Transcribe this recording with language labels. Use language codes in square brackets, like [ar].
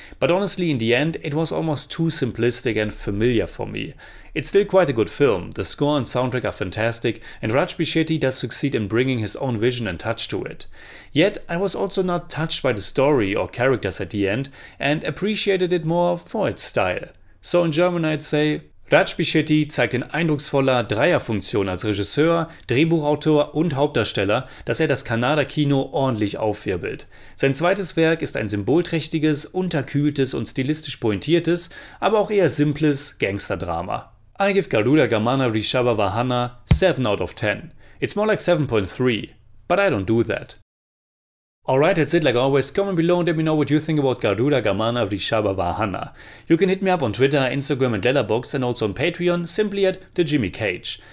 [en] But honestly, in the end, it was almost too simplistic and familiar for me. It's still quite a good film, the score and soundtrack are fantastic, and Rishab Shetty does succeed in bringing his own vision and touch to it. Yet, I was also not touched by the story or characters at the end, and appreciated it more for its style. So in German I'd say, [de] Rishab Shetty zeigt in eindrucksvoller Dreierfunktion als Regisseur, Drehbuchautor und Hauptdarsteller, dass er das Kanada-Kino ordentlich aufwirbelt. Sein zweites Werk ist ein symbolträchtiges, unterkühltes und stilistisch pointiertes, aber auch eher simples Gangsterdrama. [en] I give Garuda Gamana Vrishabha Vahana 7 out of 10. It's more like 7.3, but I don't do that. Alright, that's it. Like always, comment below and let me know what you think about Garuda Gamana Vrishabha Vahana. You can hit me up on Twitter, Instagram and Letterboxd, and also on Patreon simply at The Jimmy Cage.